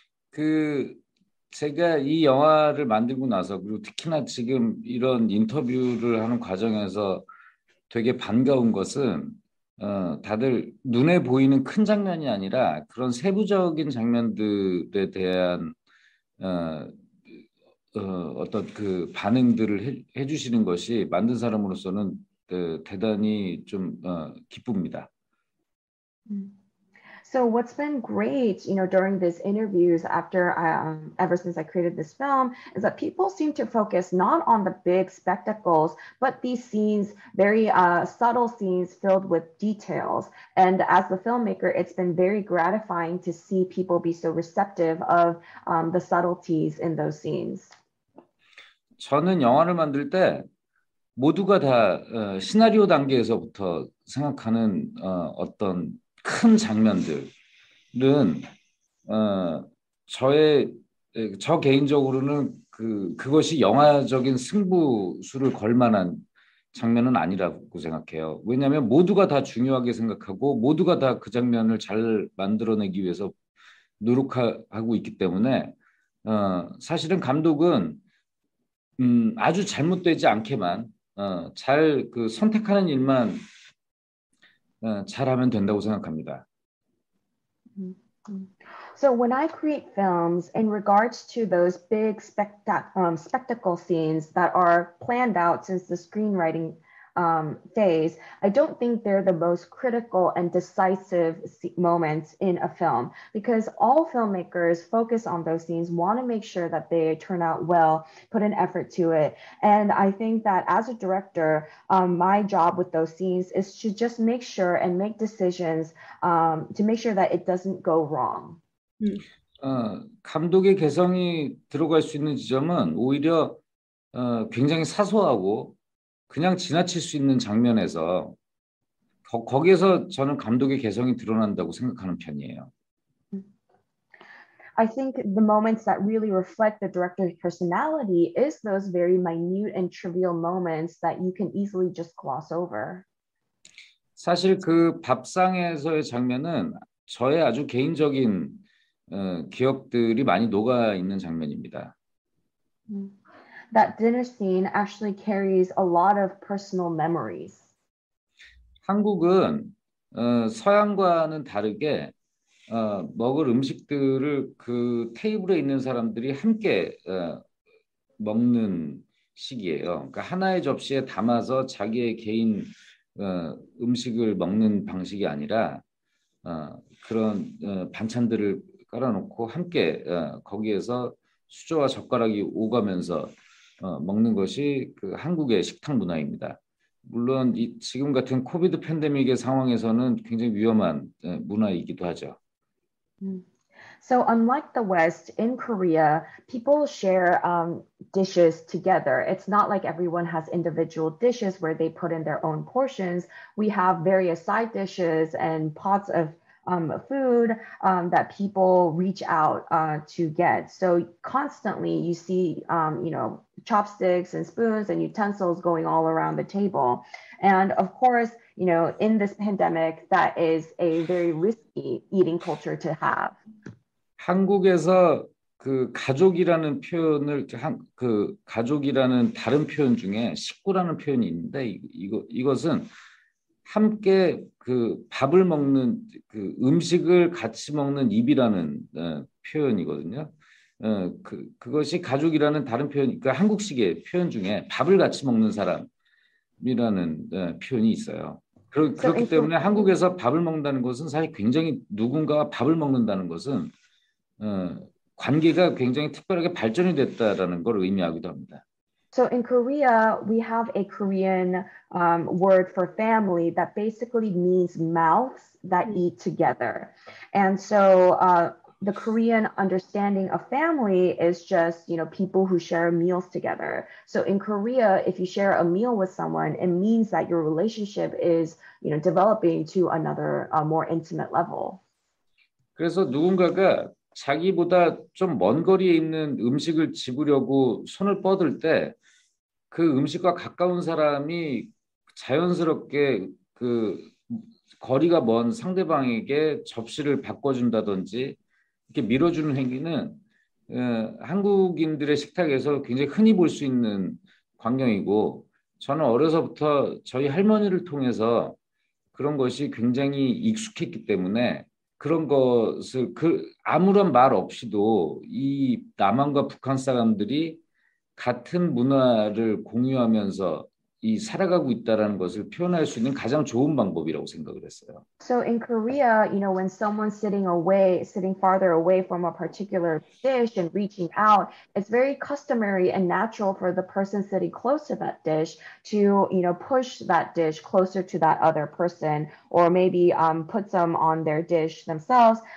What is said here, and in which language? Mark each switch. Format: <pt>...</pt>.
<ko>그 제가 이 영화를 만들고 나서 그리고 특히나 지금 이런 인터뷰를 하는 과정에서 되게 반가운 것은 다들 눈에 보이는 큰 장면이 아니라 그런 세부적인 장면들에 대한 어떤 그 반응들을 해주시는 것이 만든 사람으로서는 대단히 좀 기쁩니다.</ko> <en>So what's been great, during these interviews after ever since I created this film, is that people seem to focus not on the big spectacles, but these scenes, very subtle scenes filled with details. And as the filmmaker, it's been very gratifying to see people be so receptive of the subtleties in those scenes.</en> <ko>저는 영화를 만들 때 모두가 다 시나리오 단계에서부터 생각하는 어떤 큰 장면들은 저 개인적으로는 그것이 영화적인 승부수를 걸 만한 장면은 아니라고 생각해요. 왜냐하면 모두가 다 중요하게 생각하고 모두가 다그 장면을 잘 만들어내기 위해서 노력하고 있기 때문에 사실은 감독은 아주 잘못되지 않게만 잘그 선택하는 일만 잘하면 된다고 생각합니다.</ko> <en>So when I create films in regards to those big spectacle scenes that are planned out since the screenwriting days, I don't think they're the most critical and decisive moments in a film, because all filmmakers focus on those scenes, want to make sure that they turn out well, put an effort to it. And I think that as a director, my job with those scenes is to just make sure and make decisions to make sure that it doesn't go wrong.</en> <ko>감독의 개성이 들어갈 수 있는 지점은 오히려 굉장히 사소하고 그냥 지나칠 수 있는 장면에서 거기에서 저는 감독의 개성이 드러난다고 생각하는 편이에요.</ko> <en>I think the moments that really reflect the director's personality is those very minute and trivial moments that you can easily just gloss over.</en> <ko>사실 그 밥상에서의 장면은 저의 아주 개인적인 기억들이 많이 녹아 있는 장면입니다.</ko> <en>That dinner scene actually carries a lot of personal memories.</en> <ko>한국은 서양과는 다르게 먹을 음식들을 그 테이블에 있는 사람들이 함께 먹는 식이에요. 그러니까 하나의 접시에 담아서 자기의 개인 음식을 먹는 방식이 아니라 그런 반찬들을 깔아놓고 함께 거기에서 수저와 젓가락이 오가면서 먹는 것이 그 한국의 식탁 문화입니다. 물론 이 지금 같은 코비드 팬데믹의 상황에서는 굉장히 위험한 문화이기도 하죠.</ko> <en>So unlike the West, in Korea, people share dishes together. It's not like everyone has individual dishes where they put in their own portions. We have various side dishes and pots of food that people reach out to get. So constantly you see, you know, chopsticks and spoons and utensils going all around the table. And of course, you know, in this pandemic, that is a very risky eating culture to have.</en> <ko>한국에서 그 가족이라는 표현을 한, 그 가족이라는 다른 표현 중에 식구라는 표현이 있는데 이것은 함께 그 밥을 먹는 그 음식을 같이 먹는 입이라는 표현이거든요. 그것이 가족이라는 다른 표현, 그러니까 한국식의 표현 중에 밥을 같이 먹는 사람이라는 표현이 있어요. 그렇기 때문에 한국에서 밥을 먹는다는 것은 사실 굉장히 누군가와 밥을 먹는다는 것은 관계가 굉장히 특별하게 발전이 됐다라는 걸 의미하기도 합니다.</ko> <en>So in Korea, we have a Korean word for family that basically means mouths that eat together. And so the Korean understanding of family is just, you know, people who share meals together. So in Korea, if you share a meal with someone, it means that your relationship is, you know, developing to another more intimate level.</en> <ko>그래서 누군가가 자기보다 좀 먼 거리에 있는 음식을 집으려고 손을 뻗을 때 그 음식과 가까운 사람이 자연스럽게 그 거리가 먼 상대방에게 접시를 바꿔준다든지 이렇게 밀어주는 행위는 한국인들의 식탁에서 굉장히 흔히 볼 수 있는 광경이고 저는 어려서부터 저희 할머니를 통해서 그런 것이 굉장히 익숙했기 때문에 그런 것을 그 아무런 말 없이도 이 남한과 북한 사람들이 같은 문화를 공유하면서 이 살아가고 있다라는 것을 표현할 수 있는 가장 좋은 방법이라고 생각을 했어요.</ko> <en>So in Korea, you know, when someone's sitting farther away from a particular dish and reaching out, it's very customary and natural for the person sitting close to that dish to, you know, push that dish closer to that other person or maybe put some on their dish themselves.</en>